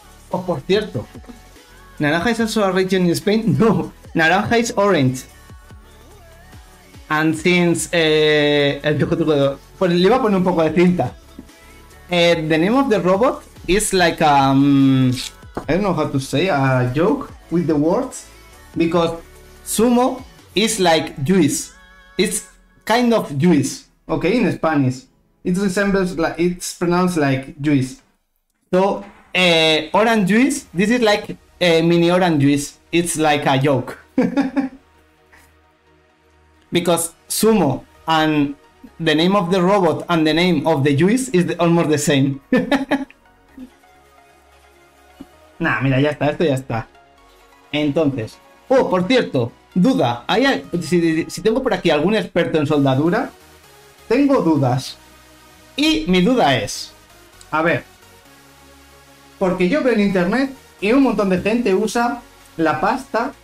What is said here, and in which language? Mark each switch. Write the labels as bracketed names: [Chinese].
[Spanish] Oh, por cierto. ¿Naranja es solo [English] region in Spain? [Spanish] No. Naranja es orange. [English] And since [Spanish] el viejo truco de... Pues le iba a poner un poco de cinta. [English] The name of the robot is like a... I don't know how to say, a joke with the words. Because sumo is like juice. It's kind of juice. Okay, in Spanish. It resembles, like, it's pronounced like juice. So, orange juice, this is like mini orange juice. It's like a joke. Because sumo and the name of the robot and the name of the juice is almost the same. [Spanish] Nah, mira, ya está, esto ya está. Entonces, oh, por cierto, duda, ¿hay, si tengo por aquí algún experto en soldadura? Tengo dudas. Y mi duda es, a ver, porque yo veo en internet y un montón de gente usa la pasta